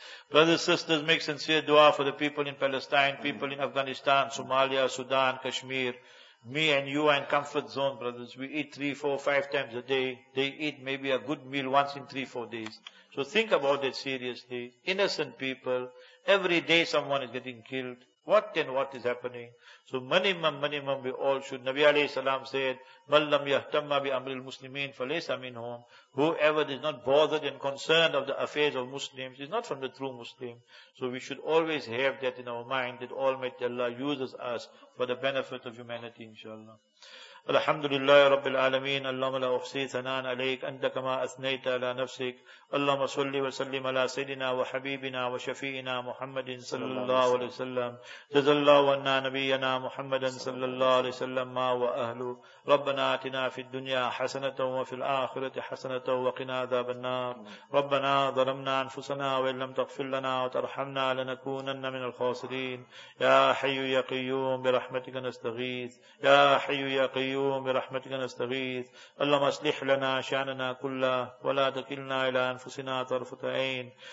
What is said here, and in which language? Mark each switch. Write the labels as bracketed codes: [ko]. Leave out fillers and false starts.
[en] Brothers, sisters, make sincere dua for the people in Palestine, people in Afghanistan, Somalia, Sudan, Kashmir. Me and you are in comfort zone, brothers. We eat 3, 4, 5 times a day. They eat maybe a good meal once in 3, 4 days. So think about it seriously. Innocent people. Every day someone is getting killed. What then, what is happening? So, minimum, we all should. [ar] Nabi alayhi salam said, مَنْ لَمْ يَهْتَمَّ بِأَمْرِ الْمُسْلِمِينَ فَلَيْسَ مِنْهُمْ. [en] Whoever is not bothered and concerned of the affairs of Muslims is not from the true Muslim. So, we should always have that in our mind that Almighty Allah uses us for the benefit of humanity, inshallah. [ar] الحمد لله رب العالمين اللهم لا أحصي ثناء عليك أنت كما أثنيت على نفسك اللهم صل وسلم على سيدنا وحبيبنا وشفيئنا محمد صلى الله عليه وسلم جزا الله عنا نبينا محمدا صلى الله عليه وسلم ما وأهله ربنا آتنا في الدنيا حسنة وفي الآخرة حسنة وقنا عذاب النار ربنا ظلمنا أنفسنا وإن لم تغفر لنا وترحمنا لنكونن من الخاسرين يا حي يا قيوم برحمتك نستغيث يا حي يا قيوم برحمتك نستغيث اللهم اصلح لنا شأننا كله ولا تكلنا إلى أنفسنا طرفة عين